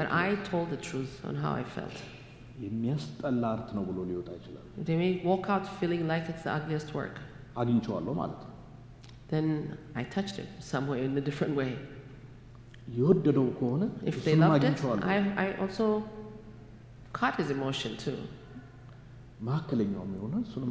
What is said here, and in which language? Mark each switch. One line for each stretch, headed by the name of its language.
English: But I told the truth on how I felt.
Amharic: የሚያስጠላ አርት ነው ብሎ ሊወጣ ይችላል
English: They may walk out feeling like it's the ugliest work.
Amharic: አግኝቼዋለሁ ማለት
English: Then I touched it some way in a different way.
Amharic: የወደደው ከሆነ
English: If they loved it, I also caught his emotion too.
Amharic: ማከለኛውም ሆነ እሱንም